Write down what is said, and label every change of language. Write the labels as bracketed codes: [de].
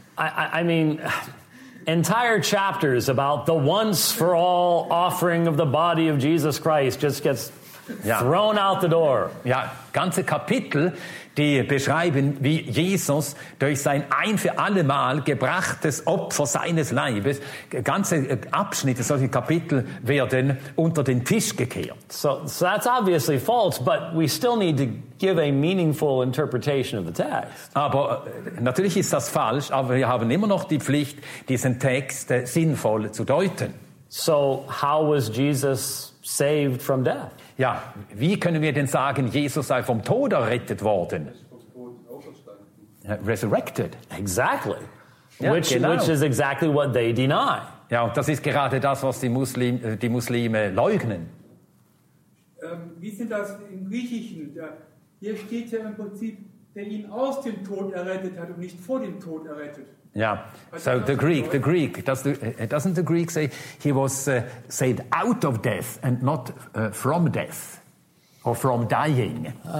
[en] I mean, entire chapters about the once for all offering of the body of Jesus Christ just gets thrown out the door. [de] Ja, ganze Kapitel, die beschreiben, wie Jesus durch sein ein für alle Mal gebrachtes Opfer seines Leibes, ganze Abschnitte, solche Kapitel werden unter den Tisch gekehrt. [en] So that's obviously false, but we still need to give a meaningful interpretation of the text. [de] Aber natürlich ist das falsch, aber wir haben immer noch die Pflicht, diesen Text sinnvoll zu deuten. [en] So how was Jesus saved from death? [de] Ja, wie können wir denn sagen, Jesus sei vom Tod errettet worden? [en] Resurrected. Exactly. Ja, which is exactly what they deny. [de] Ja, und das ist gerade das, was die Muslime leugnen. Wie ist denn das im Griechischen? Hier steht ja im Prinzip, der ihn aus dem Tod errettet hat und nicht vor dem Tod errettet. [en] Yeah, so the Greek, doesn't the Greek say he was saved out of death and not from death or from dying?